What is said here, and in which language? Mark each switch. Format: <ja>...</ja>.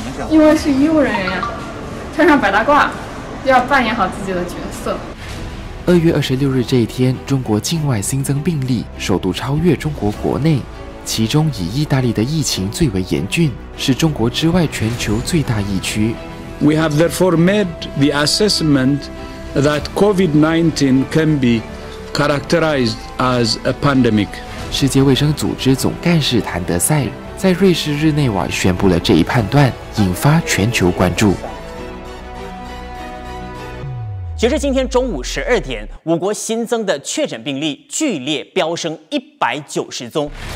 <zh>因为是医务人员呀，穿上白大褂，要扮演好自己的角色。 2月26日这一天，中国境外新增病例首度超越中国国内，其中以意大利的疫情最为严峻，是中国之外全球最大疫区。</zh> <en>We have therefore made the assessment that COVID-19 can be characterized as a pandemic。</en> <zh>世界卫生组织总干事谭德赛在瑞士日内瓦宣布了这一判断，引发全球关注。截至今天中午12点，我国新增的确诊病例剧烈飙升190宗。</zh>